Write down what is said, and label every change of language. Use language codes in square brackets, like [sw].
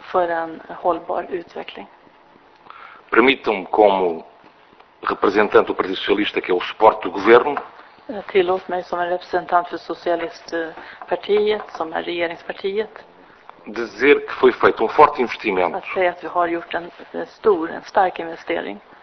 [sv] För en hållbar utveckling. [pt] Permitam-me, como representante do Partido Socialista, que é o suporte do governo, [sv] tillåt-me, som en representant för Socialistpartiet, som är regeringspartiet, [pt] dizer que foi feito um forte investimento. [sv] Att säga att vi har gjort en stark investering.